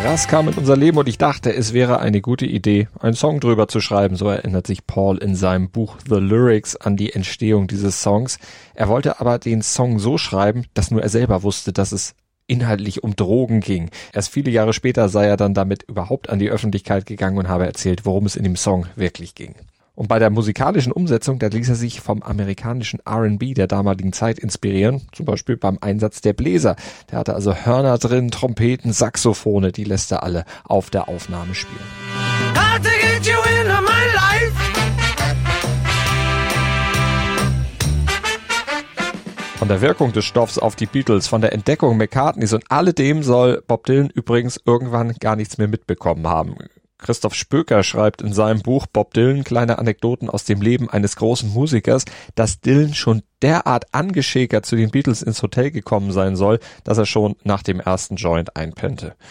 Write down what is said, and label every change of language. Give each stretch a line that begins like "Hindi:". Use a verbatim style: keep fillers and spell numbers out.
German: Gras kam in unser Leben und ich dachte, es wäre eine gute Idee, einen Song drüber zu schreiben. So erinnert sich Paul in seinem Buch The Lyrics an die Entstehung dieses Songs. Er wollte aber den Song so schreiben, dass nur er selber wusste, dass es inhaltlich um Drogen ging. Erst viele Jahre später sei er dann damit überhaupt an die Öffentlichkeit gegangen und habe erzählt, worum es in dem Song wirklich ging. Und bei der musikalischen Umsetzung, da ließ er sich vom amerikanischen R and B der damaligen Zeit inspirieren, zum Beispiel beim Einsatz der Bläser. Der hatte also Hörner drin, Trompeten, Saxophone, die lässt er alle auf der Aufnahme spielen.
English: Got to get you into my life.
German: Von der Wirkung des Stoffs auf die Beatles, von der Entdeckung McCartneys und alledem soll Bob Dylan übrigens irgendwann gar nichts mehr mitbekommen haben. Christoph Spöker schreibt in seinem Buch Bob Dylan, kleine Anekdoten aus dem Leben eines großen Musikers, dass Dylan schon derart angeschäkert zu den Beatles ins Hotel gekommen sein soll, dass er schon nach dem ersten Joint einpennte.